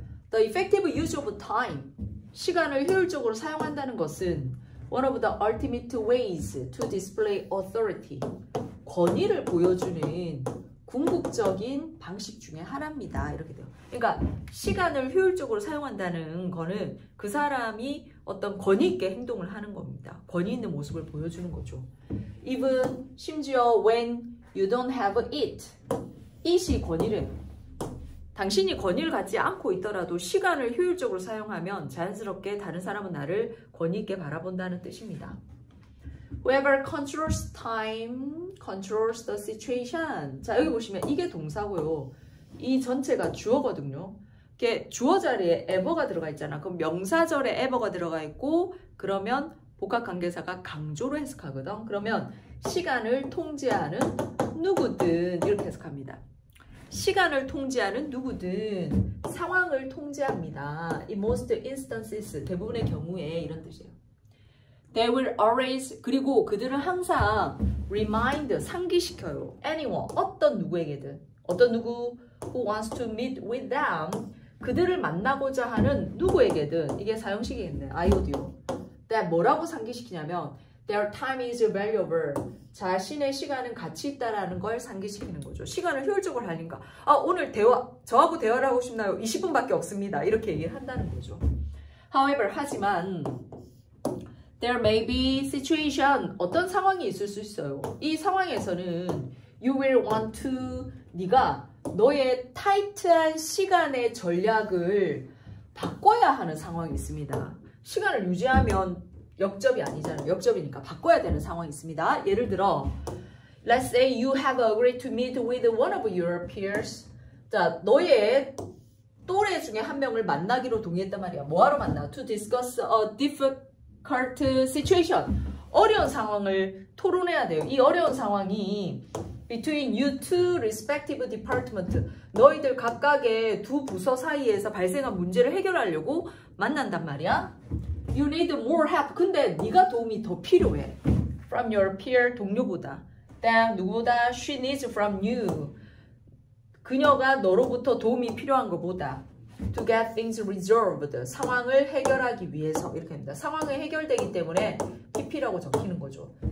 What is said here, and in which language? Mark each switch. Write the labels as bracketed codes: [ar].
[en] The effective use of time, [ko] 시간을 효율적으로 사용한다는 것은 [en] one of the ultimate ways to display authority, [ko] 권위를 보여주는 궁극적인 방식 중에 하나입니다. 이렇게 돼요. 그러니까 시간을 효율적으로 사용한다는 거는 그 사람이 어떤 권위 있게 행동을 하는 겁니다. 권위 있는 모습을 보여주는 거죠. Even 심지어 [en] when you don't have it, [ko] it이 권위를, 당신이 권위를 갖지 않고 있더라도 시간을 효율적으로 사용하면 자연스럽게 다른 사람은 나를 권위 있게 바라본다는 뜻입니다. [en] Whoever controls time controls the situation. [ko] 자, 여기 보시면 이게 동사고요. 이 전체가 주어거든요. 이게 주어 자리에 ever가 들어가 있잖아. 그럼 명사절에 ever가 들어가 있고, 그러면 복합관계사가 강조로 해석하거든. 그러면 시간을 통제하는 누구든 이렇게 해석합니다. 시간을 통제하는 누구든 상황을 통제합니다. [en] In most instances, [ko] 대부분의 경우에 이런 뜻이에요. [en] They will always, [ko] 그리고 그들은 항상 remind, 상기시켜요. Anyone, 어떤 누구에게든. 어떤 누구 [en] who wants to meet with them. [ko] 그들을 만나고자 하는 누구에게든. 이게 사용식이겠네. [en] I would do. That 뭐라고 상기시키냐면 their time is valuable. [ko] 자신의 시간은 가치 있다라는 걸 상기시키는 거죠. 시간을 효율적으로 하니까. 아, 오늘 대화, 저하고 대화를 하고 싶나요? 20분밖에 없습니다. 이렇게 얘기를 한다는 거죠. However, 하지만 [en] there may be situation, [ko] 어떤 상황이 있을 수 있어요. 이 상황에서는 [en] you will want to, [ko] 네가 너의 타이트한 시간의 전략을 바꿔야 하는 상황이 있습니다. 시간을 유지하면 역접이 아니잖아요. 역접이니까 바꿔야 되는 상황이 있습니다. [en] 예를 들어, let's say you have agreed to meet with one of your peers. [ko] 자, 너의 또래 중에 한 명을 만나기로 동의했단 말이야. 뭐하러 만나? [en] To discuss a difficult situation. [ko] 어려운 상황을 토론해야 돼요. 이 어려운 상황이 [en] between you two respective departments. [ko] 너희들 각각의 두 부서 사이에서 발생한 문제를 해결하려고 만난단 말이야. [en] You need more help. [ko] 근데 네가 도움이 더 필요해. [en] From your peer, [ko] 동료보다. [en] Then 누구보다 she needs from you. [ko] 그녀가 너로부터 도움이 필요한 것보다. [en] To get things resolved. [ko] 상황을 해결하기 위해서. 이렇게 합니다. 상황이 해결되기 때문에 PP라고 적히는 거죠.